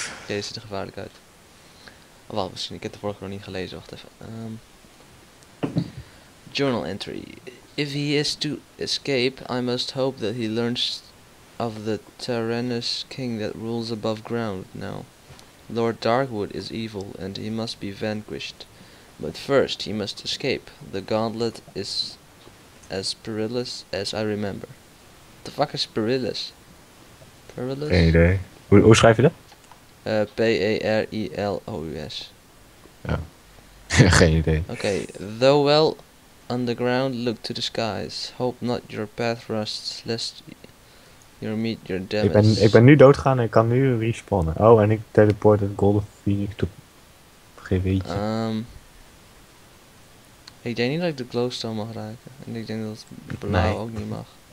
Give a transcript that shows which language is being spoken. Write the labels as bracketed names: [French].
[Dutch] Oké, dit ziet er gevaarlijk uit. Oh, wacht, misschien. Ik heb de vorige nog niet gelezen. Wacht even. [English] Journal entry. If he is to escape, I must hope that he learns of the tyrannous king that rules above ground now. Lord Darkwood is evil, and he must be vanquished. But first, he must escape. The gauntlet is as perilous as I remember. What the fuck is perilous? Perilous? [Dutch] Geen idee. Hoe schrijf je dat? [English] P-A-R-I-L-O-U-S. [Dutch] Ja. Geen idee. [English] Okay. Though well underground, look to the skies. Hope not your path rusts, lest you meet your demise. [Dutch] Ik ben nu doodgegaan en ik kan nu respawnen. Oh, en ik teleport het Golden Phoenix to GW'tje. Ik denk niet dat ik de glowstone mag raken. En ik denk dat blauw ook niet mag.